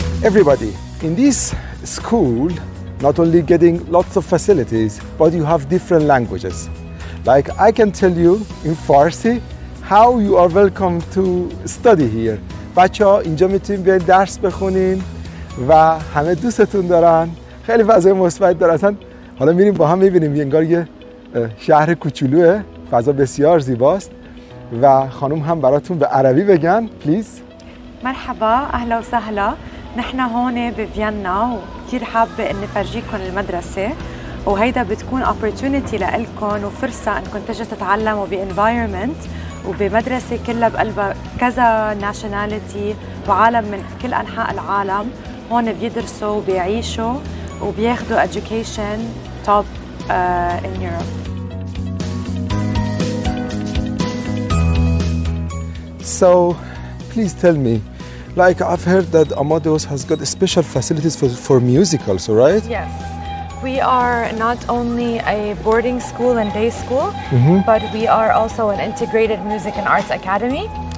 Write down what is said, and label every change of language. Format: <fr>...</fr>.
<en>Everybody, in this school, not only getting lots of facilities, but you have different languages. Like I can tell you in Farsi how you are welcome to study here.</en> <fa>بچه ها اینجا میتونیم بیاید درس بخونین و همه دوستتون دارن. خیلی فضای مثبت داره. اصلا حالا میریم با هم میبینیم. انگار یه شهر کوچولوه. فضا بسیار زیباست. و خانم هم براتون به عربی بگن.</fa> <en>Please.</en> <ar>مرحبا. اهلا و سهلا. نحن هون بفيينا وكثير حابة اني فرجيكم المدرسة، وهيدا بتكون opportunity لإلكم وفرصة انكم تجوا تتعلموا بانفايرمنت وبمدرسة كلها بقلبها كذا ناشوناليتي وعالم من كل انحاء العالم هون بيدرسوا وبيعيشوا وبياخذوا</ar> <en>education top in Europe. So please tell me, like I've heard that Amadeus has got special facilities for music also, right? Yes. We are not only a boarding school and day school, mm-hmm. but we are also an integrated music and arts academy.</en>